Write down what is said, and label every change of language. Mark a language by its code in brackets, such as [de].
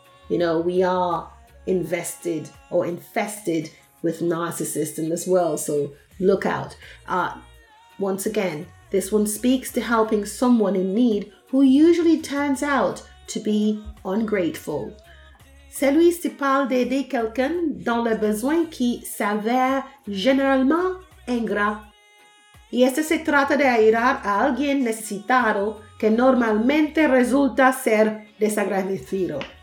[en] You know, we are infested with narcissists in this world, so look out. Once again, this one speaks to helping someone in need who usually turns out to be ungrateful. [fr] Celui-ci parle d'aider quelqu'un dans le besoin qui s'avère généralement ingrat. [es] Y este se trata de ayudar a alguien necesitado que normalmente resulta ser desagradecido.